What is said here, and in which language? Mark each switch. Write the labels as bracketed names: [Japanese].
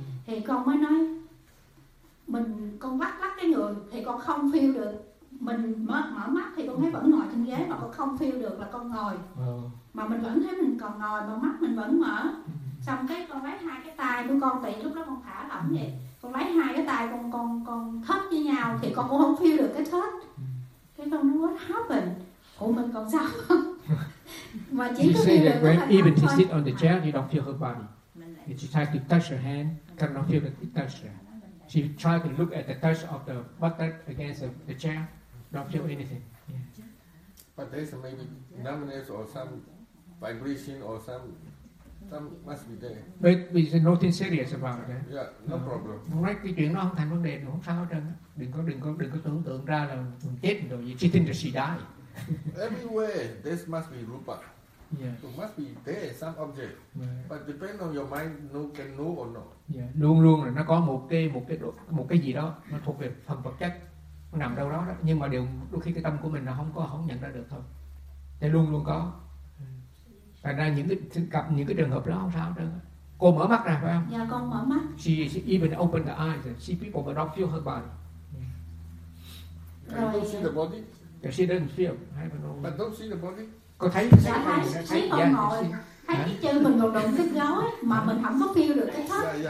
[Vietnamese] Thì con mới nói mình con vắt lắc cái người thì con không feel được, mình mở mắt thì con thấy vẫn ngồi trên ghế mà con không feel được là con ngồi, mà mình vẫn thấy mình còn ngồi mà mắt mình vẫn mở. Xong cái con lấy hai cái tay của con, tại lúc đó con thả lỏng vậy, con lấy hai cái tay con thớt với nhau thì con cũng không feel được cái thớt. Cái con nói [English] what happened, [Vietnamese] ủa mình còn sao mà chỉ [English] you [Vietnamese] có feel được [English] when even to sit on the chair you don't feel her body, you just try to touch her hand, cannot feel the touch. She tried to look at the touch of the butt against the chair, don't feel anything. Yeah. But there's maybe numbness or some vibration or some must be there. But there's nothing serious about that. Yeah, no problem. [Vietnamese] Right, cái chuyện nó không thành vấn đề, không sao hết trơn. Đừng có tưởng tượng ra là mình chết rồi gì. [English] She thinks that she died. Everywhere, this must be rupa. Yeah. So must be there some object, right. But depend on your mind can know or not. Yeah. [Vietnamese] Luôn luôn là nó có một cái gì đó nó thuộc về phần vật chất, nó nằm đâu đó, đó. Nhưng mà đôi khi cái tâm của mình nó không nhận ra được thôi. Thì luôn luôn có. Thành ra những cái trường hợp đó không sao đâu. Cô mở mắt ra phải không? Dạ, con mở mắt. [English] She even open the eyes and see people but don't feel her body. Yeah. Can you don't see the body. Yeah, she doesn't feel. I don't know. But don't see the body. [Vietnamese] Có thấy dạ, thấy con yeah, ngồi thấy cái chân mình còn đụng cái gối mà mình không có feel được cái thất.